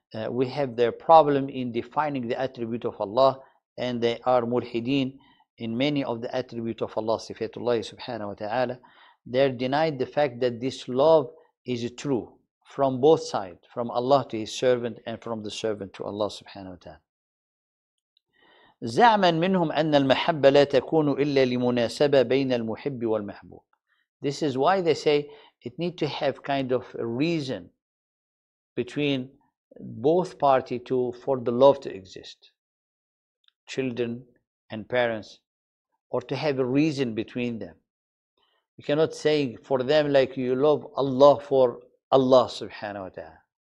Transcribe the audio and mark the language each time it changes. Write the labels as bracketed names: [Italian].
[English] We have their problem in defining the attribute of Allah, and they are mulhideen in many of the attributes of Allah, Sifatullah subhanahu wa ta'ala. They're denied the fact that this love is true from both sides, from Allah to his servant and from the servant to Allah subhanahu wa ta'ala. [Arabic] زعما منهم أن المحبة لا تكون إلا لمناسبة بين المحب والمحبوب. [English] This is why they say it need to have kind of a reason between both parties to for the love to exist. Children and parents, or to have a reason between them. You cannot say for them like you love Allah for Allah subhanahu wa ta'ala.